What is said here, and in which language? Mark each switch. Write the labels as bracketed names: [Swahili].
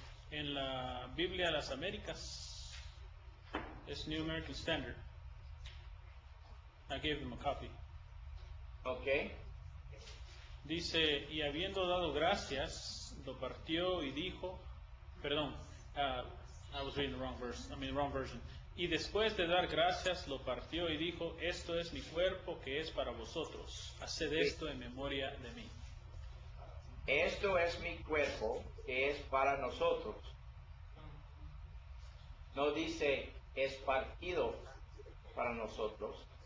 [Spanish] En la Biblia de las Américas es New American Standard. [English] I gave them a copy. Ok. [Spanish] Dice: y habiendo dado gracias lo partió y dijo. [English] Perdón, I was reading the wrong verse. I mean the wrong version. [Spanish] Y después de dar gracias, lo partió y dijo: esto es mi cuerpo que es para vosotros. Haced esto en memoria de mí. Esto es mi cuerpo que es para nosotros. No dice es partido para nosotros.